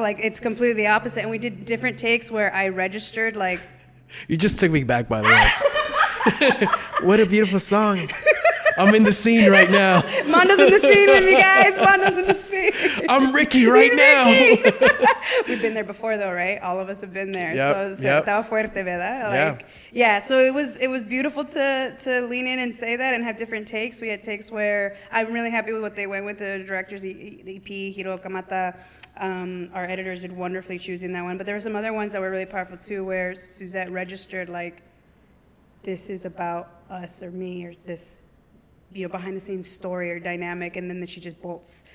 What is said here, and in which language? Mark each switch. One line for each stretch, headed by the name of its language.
English: Like, it's completely the opposite. And we did different takes where I registered, like... You just took me back, by the way. What a beautiful song. I'm in the scene right now. Mondo's in the scene with me, guys. Mondo's in the scene. I'm Ricky right now. We've been there before, though, right? All of us have been there. Yep, so
Spanish: estaba fuerte, ¿verdad?
English: Yeah, so it was beautiful to lean in and say that and have different takes. We had takes where I'm really happy with what they went with. The director's EP, Hiro Kamata, our editors did wonderfully choosing that one. But there were some other ones that were really powerful, too, where Suzette registered, like, this is about us or me or this, you know, behind the scenes story or dynamic, and then she just bolts.